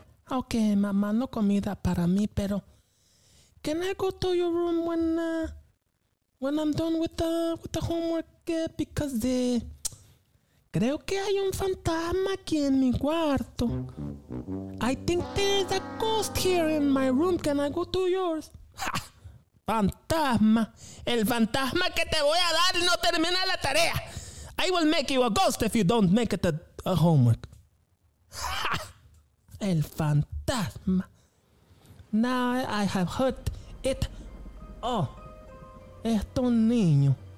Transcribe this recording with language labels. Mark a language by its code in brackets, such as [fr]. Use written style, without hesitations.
[en] Okay, mamá, [es] no comida para mí, pero [en] can I go to your room when I'm done with the homework? [es] Because creo que hay un fantasma aquí en mi cuarto. [en] I think there's a ghost here in my room. Can I go to yours? Fantasma. [es] El fantasma que te voy a dar no termina la tarea. [en] I will make you a ghost if you don't make it a homework. El fantasma. Now I have heard it. [es] Oh, esto niño.